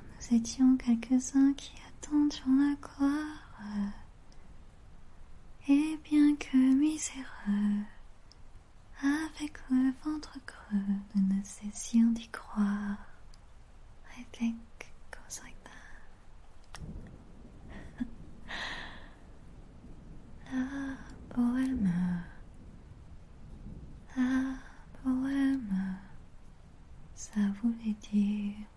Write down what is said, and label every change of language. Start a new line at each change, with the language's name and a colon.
French: Étions quelques-uns qui attendions la gloire, et bien que miséreux, avec le ventre creux, nous ne cessions d'y croire.
English: I think it goes like that.
French: La bohème, la bohème, ça voulait dire.